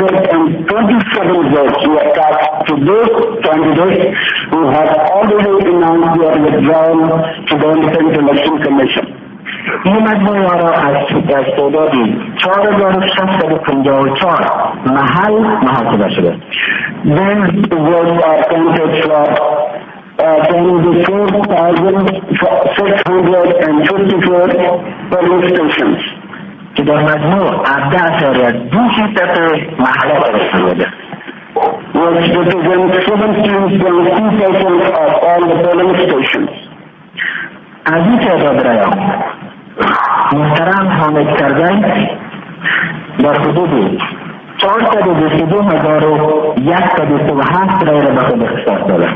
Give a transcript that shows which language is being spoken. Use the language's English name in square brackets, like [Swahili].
[English] 18,527 votes were cast to those candidates who had already announced their withdrawal to the Independent Election Commission. [Persian] این مجموعه را از تعدادی 4,654 محل محاسبه شده. [English] Then the votes are counted for 24,654 polling stations. [Persian] که در مجموع 17.26% محل محاسبه شده. [English] Which represents 17.2% of all the polling stations. [Persian] از این تعداد رای محترم حامد کردن در حدود 422,107 رای را به خود اختصاص داده.